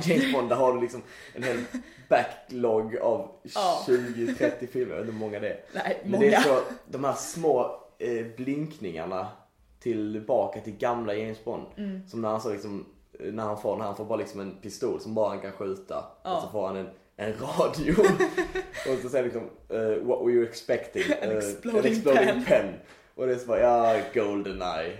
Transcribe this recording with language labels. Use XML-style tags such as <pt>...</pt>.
<sv>James Bond, där har du liksom en hel backlog av 20-30 filmer, hur många det är. Nej, men det är så, de här små blinkningarna tillbaka till gamla James Bond. Mm. Som när han så liksom, när han får bara liksom en pistol som bara han kan skjuta. Ja. Och så får han en radio. Och så säger liksom,</sv> <en>what were you expecting? An exploding pen.</en> <sv>Och det är så bara, ja, GoldenEye.</sv>